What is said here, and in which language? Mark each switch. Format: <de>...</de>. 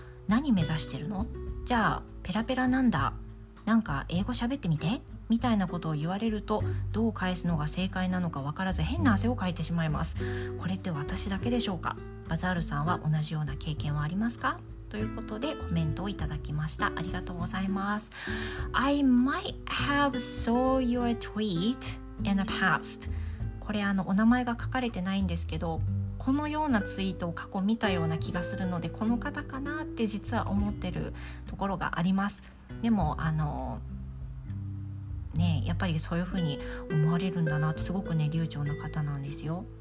<ja>何目指してるの？じゃあペラペラなんだ、なんか英語喋ってみてみたいなことを言われると、どう返すのが正解なのか分からず変な汗をかいてしまいます。これって私だけでしょうか？バザールさんは同じような経験はありますか？ということでコメントをいただきました。ありがとうございます。</ja> <en>I might have saw your tweet in the past.</en> <ja>これお名前が書かれてないんですけど、このようなツイートを過去見たような気がするので、この方かなって実は思ってるところがあります。でもね、やっぱりそういう風に思われるんだなって、すごくね流暢な方なんですよ。</ja>